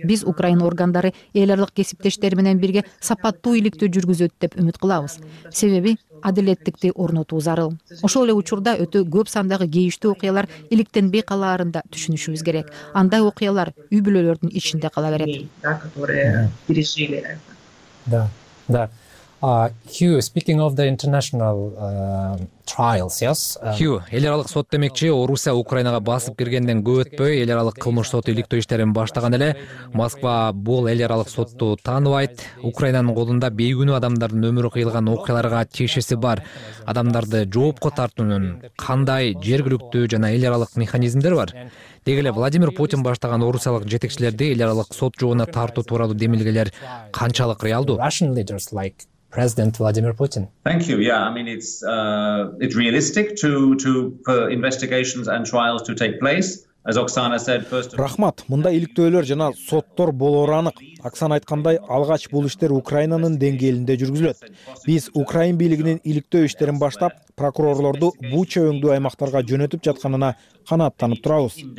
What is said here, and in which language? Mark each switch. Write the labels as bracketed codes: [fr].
[ky] Биз Украина органдары эл аралык кесиптештери менен бирге сапаттуу иликтөө жүргүзөт деп үмүт кылабыз. Себеби адилеттикти орнотуу зарыл. Ошол эле учурда өтө көп сандагы кейиштүү окуялар иликтенбей калаарын да түшүнүшүбүз керек. Андай окуялар үй бүлөлөрдүн ичинде кала берет. Да, да. [en] Hugh, speaking of the international trials, yes? [ky] Hugh, эл аралык сот демекчи, Орусия Украинага басып киргенден көп өтпөй, эл аралык кылмыш соту иликтөө иштерин баштаган эле. Москва бул эл аралык сотту тааныбайт. Украинанын колунда бейкүнөө адамдардын өмүрү кыйылган окуяларга тиешеси бар. Адамдарды жоопко тартуунун кандай жергиликтүү жана эл аралык механизмдер бар? Деги эле Владимир Путин баштаган орусиялык жетекчилерди эл аралык сот жообуна тартуу тууралуу демилгелер канчалык реалдуу? [en] Russian leaders like President Владимир Путин. Thank you. Yeah, I mean it's realistic to for investigations and trials to take place. [ky] Рахмат, мында иликтөөлөр жана соттор болоору анык. Оксана айткандай, алгач бул иштер Украинанын деңгээлинде жүргүзүлөт. Биз Украин бийлигинин иликтөө иштерин баштап, прокурорлорду Буча өңдүү аймактарга жөнөтүп жатканына канааттанып турабыз.